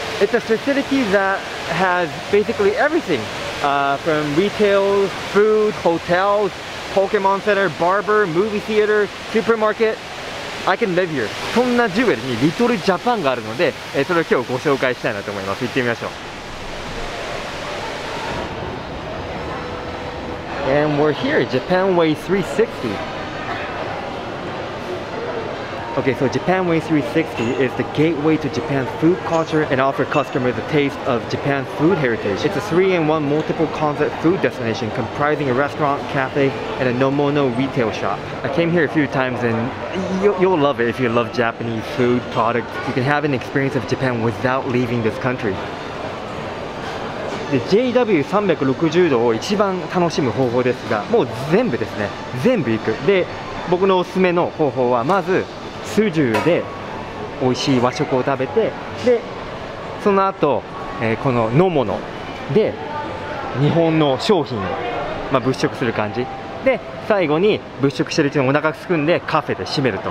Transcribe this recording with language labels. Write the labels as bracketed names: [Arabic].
[English] It's a facility that has basically everything, from retail, food, hotels, Pokemon Center, barber, movie theater, supermarket. I can live here. [Japanese] そんなジュエルにリトルジャパンがあるので、それを今日ご紹介したいなと思います。行ってみましょう。 [English] And we're here, Japan Way 360. Okay, so Japan Way 360 is the gateway to Japan's food culture and offer customers a taste of Japan's food heritage. It's a 3-in-1 multiple concept food destination comprising a restaurant, cafe, and a nomono retail shop. I came here a few times and you'll love it if you love Japanese food products. You can have an experience of Japan without leaving this country. [Japanese] JW360 度を一番楽しむ方法ですが、もう全部ですね、全部行く。で、僕のおすすめの方法は、まず、スジュで美味しい和食を食べて、で、その後、この飲むので、日本の商品を、まあ、物色する感じ、で、最後に物色してるうちにお腹がすくんで、カフェで閉めると。